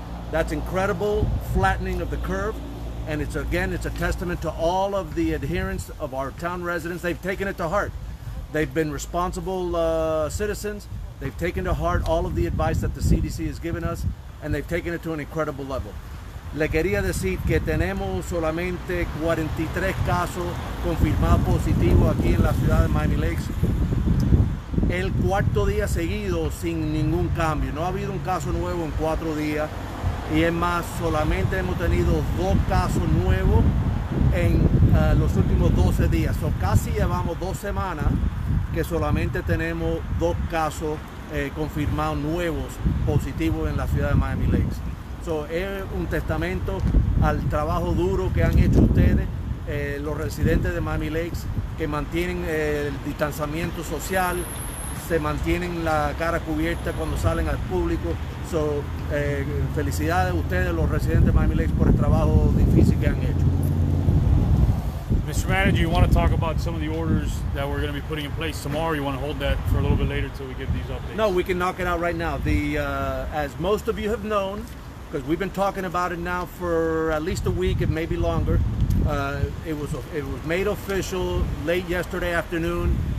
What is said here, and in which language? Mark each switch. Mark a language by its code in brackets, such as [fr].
[en] That's incredible flattening of the curve. And it's a testament to all of the adherence of our town residents. They've taken it to heart. They've been responsible citizens. They've taken to heart all of the advice that the CDC has given us, and they've taken it to an incredible level. [es] Le quería decir que tenemos solamente 43 casos confirmados positivos aquí en la ciudad de Miami Lakes. El cuarto día seguido sin ningún cambio. No ha habido un caso nuevo en cuatro días. Y es más, solamente hemos tenido dos casos nuevos en los últimos 12 días. So casi llevamos dos semanas que solamente tenemos dos casos confirmados nuevos positivos en la ciudad de Miami Lakes. So es un testamento al trabajo duro que han hecho ustedes, los residentes de Miami Lakes, que mantienen el distanciamiento social, se mantienen la cara cubierta cuando salen al público. So, felicidades a ustedes, los residentes de Miami Lakes, por el trabajo difícil que han hecho. [en] Mr. Manager, you want to talk about some of the orders that we're going to be putting in place tomorrow? You want to hold that for a little bit later until we get these updates? No, we can knock it out right now. As most of you have known, because we've been talking about it now for at least a week and maybe longer, it was made official late yesterday afternoon.